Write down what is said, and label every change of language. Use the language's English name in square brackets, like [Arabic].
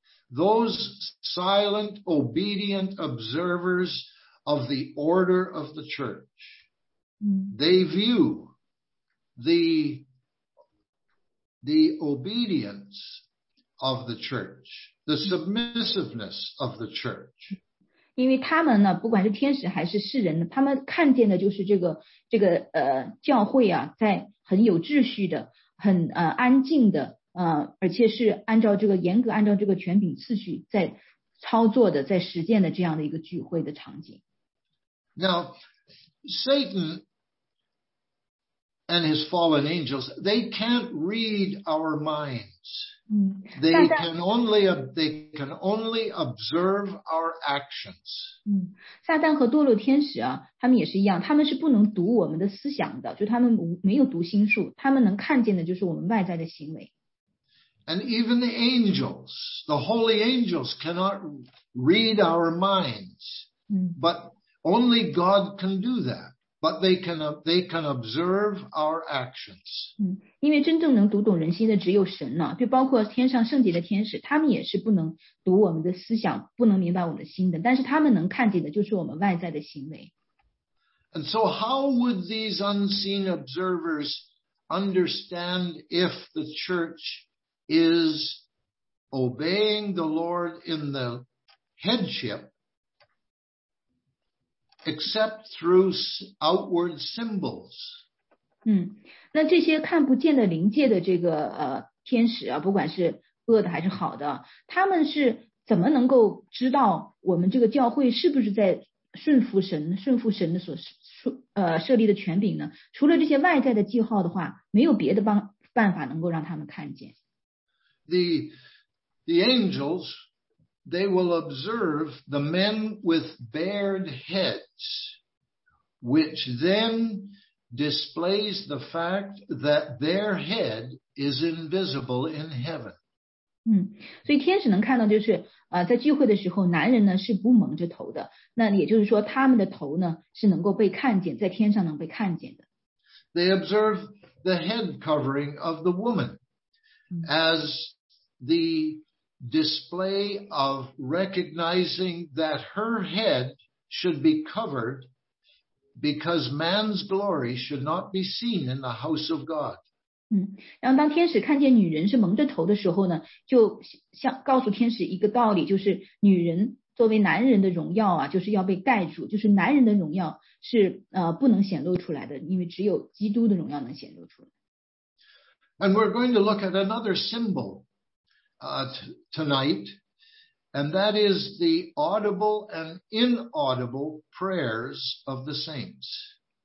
[English] Those silent, obedient observers of the order of the church, they view the obedience of the church, the submissiveness of the church. [Chinese] 因为他们呢，不管是天使还是世人呢，他们看见的就是这个教会啊，在很有秩序的、很安静的而且是按照这个严格按照这个权柄次序在操作的、在实践的这样的一个聚会的场景。 [English] Now, Satan and his fallen angels, they can't read our minds. They can only observe our actions. [Chinese] 撒旦和堕落天使啊，他们也是一样，他们是不能读我们的思想的，就他们没有读心术，他们能看见的就是我们外在的行为。 [English] And even the angels, the holy angels cannot read our minds. But only God can do that. But they can observe our actions. [Chinese] 因为真正能读懂人心的只有神呢，就包括天上圣洁的天使，他们也是不能读我们的思想，不能明白我们的心的，但是他们能看见的就是我们外在的行为。 [English] And so how would these unseen observers understand if the church is obeying the Lord in the headship? Except through outward symbols. [Chinese] 那这些看不见的灵界的这个天使啊，不管是恶的还是好的，他们是怎么能够知道我们这个教会是不是在顺服神的所设立的权柄呢？除了这些外在的记号的话，没有别的办法能够让他们看见。 [English] The angels. They will observe the men with bared heads, which then displays the fact that their head is invisible in heaven. [Chinese] 所以天使能看到就是在聚会的时候男人呢是不蒙着头的，那也就是说他们的头呢是能够被看见，在天上能被看见的。 [English] They observe the head covering of the woman as the... display of recognizing that her head should be covered because man's glory should not be seen in the house of God. [Chinese] 然后当天使看见女人是蒙着头的时候呢，就像告诉天使一个道理，就是女人作为男人的荣耀啊，就是要被盖住，就是男人的荣耀是不能显露出来的，因为只有基督的荣耀能显露出来。 [English] And we're going to look at another symbol tonight, and that is the audible and inaudible prayers of the saints.